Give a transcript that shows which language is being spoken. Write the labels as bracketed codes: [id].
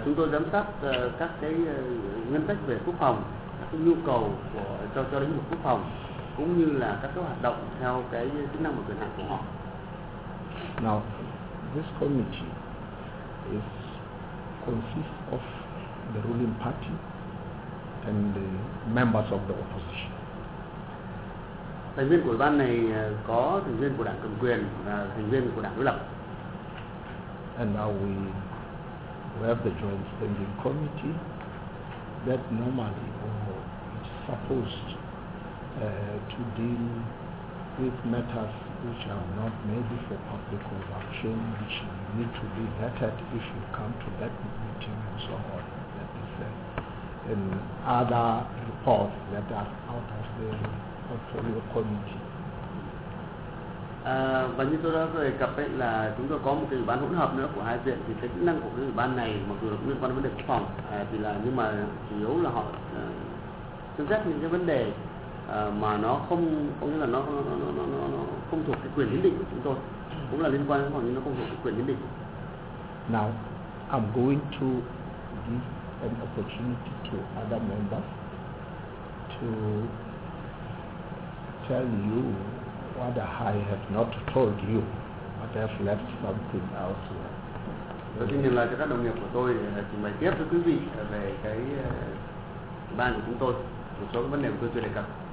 [vi] Chúng tôi giám sát các cái ngân sách về quốc phòng, các nhu cầu của cho lĩnh vực quốc phòng, cũng như là các cái hoạt động theo cái chức năng và quyền hạn của họ. [en] Now, this committee is consists of the ruling party and the members of the opposition. [vi] Thành viên của ủy ban này có thành viên của đảng cầm quyền và thành viên của đảng đối lập. [en] And now we have the joint standing committee that normally is supposed to deal with matters which are not maybe for public consumption, which you need to be vetted if you come to that meeting and so on. That is and other reports that are out of the portfolio committee. [vi] Và như tôi đã đề cập ấy, là chúng tôi có một cái ủy ban hỗn hợp nữa của hai viện, thì cái chức năng của cái ủy ban này mặc dù là liên quan đến vấn đề quốc phòng thì là nhưng mà chủ yếu là họ xem xét những cái vấn đề mà nó không có nghĩa là nó không thuộc cái quyền hiến định của chúng tôi, cũng là liên quan đến quốc phòng nhưng nó không thuộc cái quyền hiến định. [en] Now I'm going to give an opportunity to other members to tell you what I have not told you, but I have left something out here. [vi] Đầu tiên là cho các đồng nghiệp của tôi trình bày tiếp với quý vị về cái ban của chúng tôi, một số vấn đề của tôi chưa đề cập.